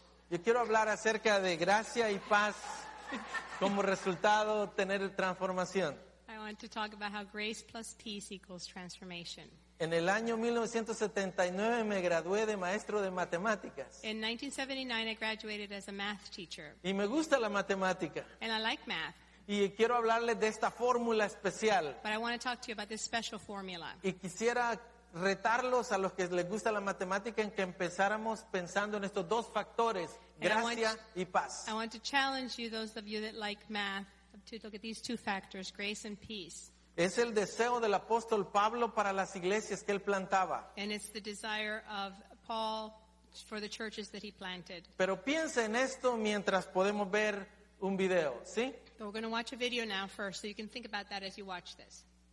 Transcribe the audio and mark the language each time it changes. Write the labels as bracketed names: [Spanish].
[Spanish] Yo quiero hablar acerca de gracia y paz como resultado tener transformación. [English] I want to talk about how grace plus peace equals transformation. [Spanish] En el año 1979 me gradué de maestro de matemáticas. [English] In 1979 I graduated as a math teacher. [Spanish] Y me gusta la matemática. [English] And I like math. [Spanish] Y quiero hablarles de esta fórmula especial. [English] But I want to talk to you about this special formula. [Spanish] Y quisiera retarlos a los que les gusta la matemática en que empezáramos pensando en estos dos factores, gracia y paz. [English] I want to challenge you, those of you that like math, to look at these two factors, grace and peace. [Spanish] Es el deseo del apóstol Pablo para las iglesias que él plantaba. [English] And it's the desire of Paul for the churches that he planted. [Spanish] Pero piensa en esto mientras podemos ver un video, ¿sí? [English] But we're going to watch a video now first, so you can think about that as you watch this.